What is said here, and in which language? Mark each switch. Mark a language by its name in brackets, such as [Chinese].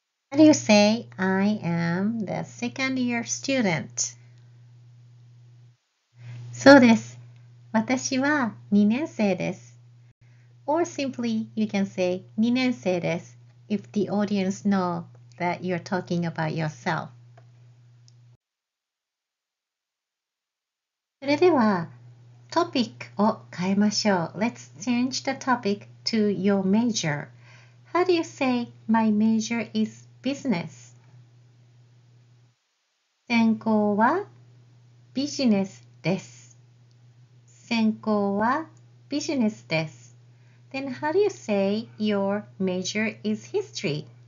[English] How do you say, I am the second year student? [Japanese] そうです。私は2年生です。 [English] Or simply, you can say, [Japanese] 2年生です。 [English] If the audience know that you're talking about yourself. [Japanese] それでは、トピックを変えましょう。 [English] Let's change the topic to your major. How do you say, my major is business. [Japanese] 専攻はビジネスです。専攻はビジネスです。 [English] Then how do you say your major is history?